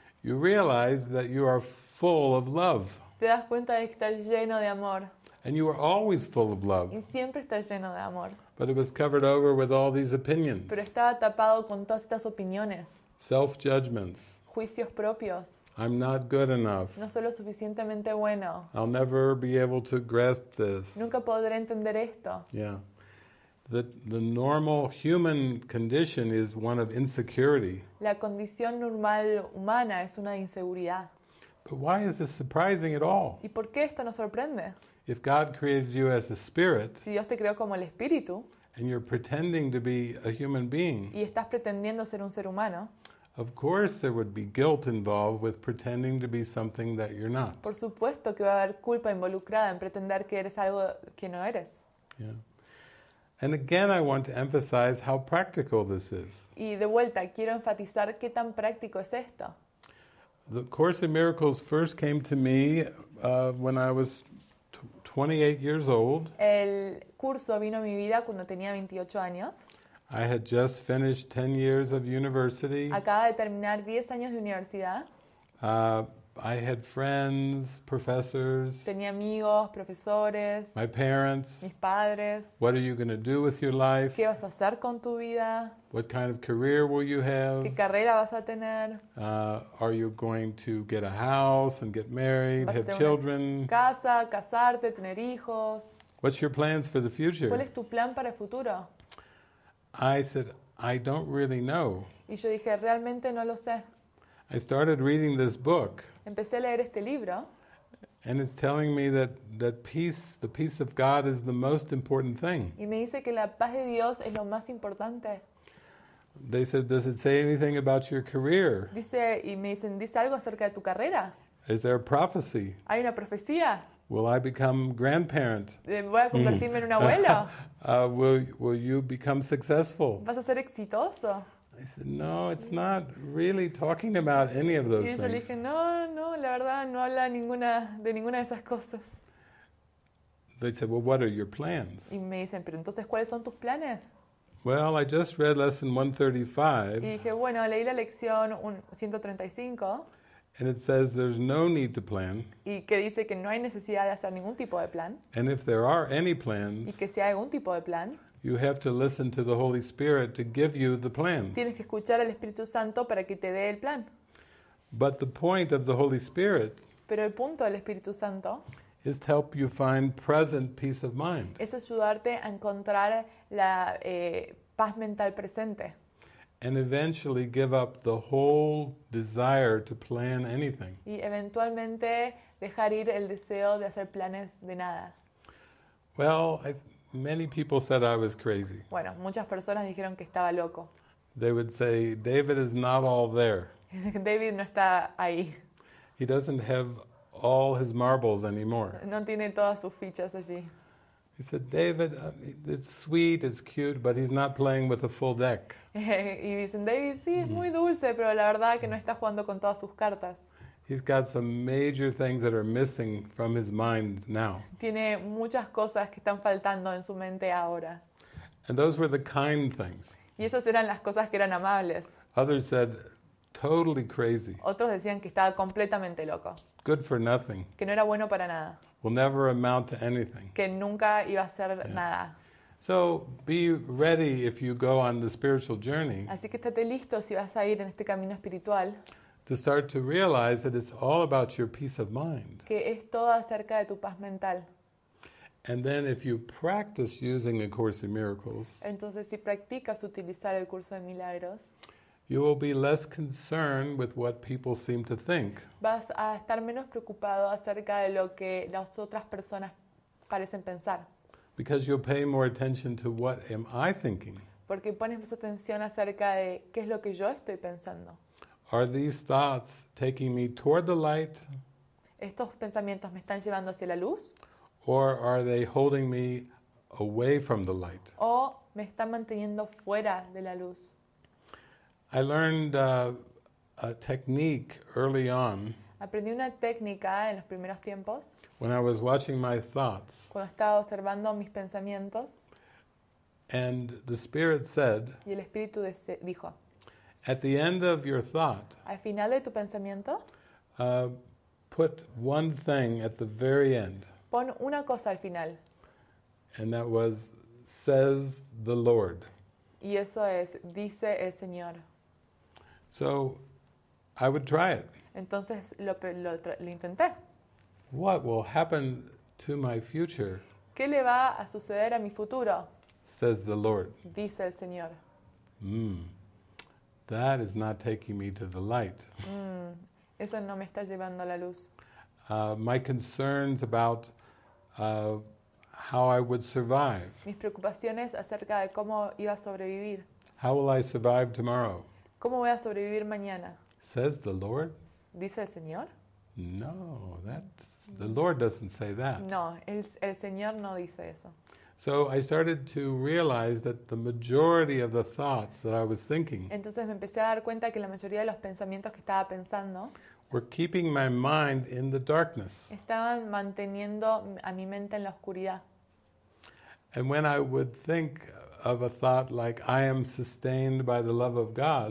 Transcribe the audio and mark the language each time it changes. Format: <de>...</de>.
<en>you realize that you are full of love.</en> <es>Te das cuenta de que estás lleno de amor.</es> <en>And you are always full of love.</en> <es>Y siempre estás lleno de amor.</es> <en>But it was covered over with all these opinions.</en> <es>Pero estaba tapado con todas estas opiniones.</es> <en>Self-judgments.</en> <es>Juicios propios.</es> <en>I'm not good enough.</en> <es>No soy lo suficientemente bueno.</es> <en>I'll never be able to grasp this.</en> <es>Nunca podré entender esto.</es> <en>Yeah. The normal human condition is one of insecurity.</en> <es>La condición normal humana es una inseguridad.</es> <en>But why is this surprising at all?</en> <es>¿Y por qué esto nos sorprende?</es> <en>If God created you as a spirit.</en> <es>Si Dios te creó como el espíritu.</es> <en>And you're pretending to be a human being.</en> <es>Y estás pretendiendo ser un ser humano.</es> <en>Of course there would be guilt involved with pretending to be something that you're not.</en> <es>Por supuesto que va a haber culpa involucrada en pretender que eres algo que no eres.</es> <en>Yeah. And again I want to emphasize how practical this is.</en> <es>Y de vuelta quiero enfatizar qué tan práctico es esto.</es> <en>The Course in Miracles first came to me when I was 28 years old.</en> <es>El curso vino a mi vida cuando tenía 28 años.</es> <en>I had just finished 10 years of university.</en> <es>Acaba de terminar 10 años de universidad.</es> <en>I had friends, professors.</en> <es>Tenía amigos, profesores.</es> <en>My parents.</en> <es>Mis padres.</es> <en>What are you going to do with your life?</en> <es>¿Qué vas a hacer con tu vida?</es> <en>What kind of career will you have?</en> <es>¿Qué carrera vas a tener?</es> <en>Are you going to get a house and get married,</en> <es>¿vas</es> <en>have</en> <es>a tener</es> <en>children?</en> <es>Una casa, casarte, tener hijos.</es> <en>What's your plans for the future?</en> <es>¿Cuál es tu plan para el futuro?</es> <en>I said, I don't really know.</en> <es>Y yo dije, realmente no lo sé.</es> <en>I started reading this book.</en> <es>Empecé a leer este libro.</es> <en>And it's telling me that peace, the peace of God is the most important thing.</en> <es>Y me dice que la paz de Dios es lo más importante.</es> <en>They said, does it say anything about your career?</en> <es>Dice, y me dicen, ¿dice algo acerca de tu carrera?</es> <en>Is there a prophecy?</en> <es>¿Hay una profecía?</es> <en>Will I become grandparent?</en> <es>¿Voy a convertirme en un abuelo?</es> <en>will you become successful?</en> <es>¿Vas a ser exitoso?</es> <en>I said, no, it's not really talking about any of those things.</en> <es>Y yo le dije, no, la verdad no habla de ninguna de esas cosas.</es> <en>They said, well, what are your plans?</en> <es>Y me dicen, pero entonces, ¿cuáles son tus planes?</es> <en>Well, I just read lesson 135.</en> <es>Y dije, bueno, leí la lección 135.</es> <en>And it says there's no need to plan.</en> <es>Y que dice que no hay necesidad de hacer ningún tipo de plan.</es> <en>And if there are any plans,</en> <es>y que si hay algún tipo de plan,</es> <en>you have to listen to the Holy Spirit to give you the plans.</en> <es>Tienes que escuchar al Espíritu Santo para que te dé el plan.</es> <en>But the point of the Holy Spirit,</en> <es>pero el punto del Espíritu Santo,</es> <en>is to help you find present peace of mind.</en> <es>Es ayudarte a encontrar la paz mental presente.</es> <en>And eventually give up the whole desire to plan anything.</en> <es>Y eventualmente dejar ir el deseo de hacer planes de nada.</es> <en>Well, many people said I was crazy.</en> <es>Bueno, muchas personas dijeron que estaba loco.</es> <en>They would say David is not all there.</en> <es>David no está ahí.</es> <en>He doesn't have all his marbles anymore.</en> <es>No tiene todas sus fichas allí.</es> <en>He said, David, it's sweet, it's cute, but he's not playing with a full deck.</en> <es>Y dicen, David, sí, es muy dulce, pero la verdad que no está jugando con todas sus cartas.</es> <en>He's got some major things that are missing from his mind now.</en> <es>Tiene muchas cosas que están faltando en su mente ahora.</es> <en>And those were the kind things.</en> <es>Y esas eran las cosas que eran amables.</es> <en>Others said, totally crazy.</en> <es>Otros decían que estaba completamente loco.</es> <en>Good for nothing.</en> <es>Que no era bueno para nada.</es> <en>Will never amount to anything.</en> <es>Que nunca iba a ser nada.</es> <en>So be ready if you go on the spiritual journey.</en> <es>Así que estate listo si vas a ir en este camino espiritual.</es> <en>To start to realize that it's all about your peace of mind.</en> <es>Que es todo acerca de tu paz mental.</es> <en>And then if you practice using A Course in Miracles.</en> <es>Entonces si practicas utilizar el curso de milagros.</es> <en>You will be less concerned with what people seem to think.</en> <es>Vas a estar menos preocupado acerca de lo que las otras personas parecen pensar.</es> <en>Because you'll pay more attention to what am I thinking.</en> <es>Porque pones más atención acerca de qué es lo que yo estoy pensando.</es> <en>Are these thoughts taking me toward the light?</en> <es>¿Estos pensamientos me están llevando hacia la luz?</es> <en>Or are they holding me away from the light?</en> <es>¿O me están manteniendo fuera de la luz?</es> <en>I learned a technique early on.</en> <es>Aprendí una técnica en los primeros tiempos.</es> <en>When I was watching my thoughts.</en> <es>Cuando estaba observando mis pensamientos.</es> <en>And the spirit said.</en> <es>Y el espíritu dijo.</es> <en>At the end of your thought.</en> <es>Al final de tu pensamiento.</es> <en>Put one thing at the very end.</en> <es>Pon una cosa al final.</es> <en>And that was says the Lord.</en> <es>Y eso es dice el Señor.</es> <en>So, I would try it.</en> <es>Entonces, lo intenté.</es> <en>What will happen to my future?</en> <es>¿Qué le va a suceder a mi futuro?</es> <en>Says the Lord.</en> <es>Dice el Señor.</es> <en>That is not taking me to the light.</en> <es>Eso no me está llevando a la luz.</es> <en>My concerns about how I would survive.</en> <es>Mis preocupaciones acerca de cómo iba a sobrevivir.</es> <en>How will I survive tomorrow?</en> <es>¿Cómo voy a sobrevivir mañana?</es> <en>Says the Lord.</en> <es>¿Dice el Señor?</es> <en>No, that's, the Lord doesn't say that.</en> <es>No, el Señor no dice eso.</es> <en>So I started to realize that the majority of the thoughts that I was thinking.</en> <es>Entonces me empecé a dar cuenta que la mayoría de los pensamientos que estaba pensando.</es> <en>Were keeping my mind in the darkness.</en> <es>Estaban manteniendo a mi mente en la oscuridad.</es> <en>And when I would think of a thought like I am sustained by the love of God.</en>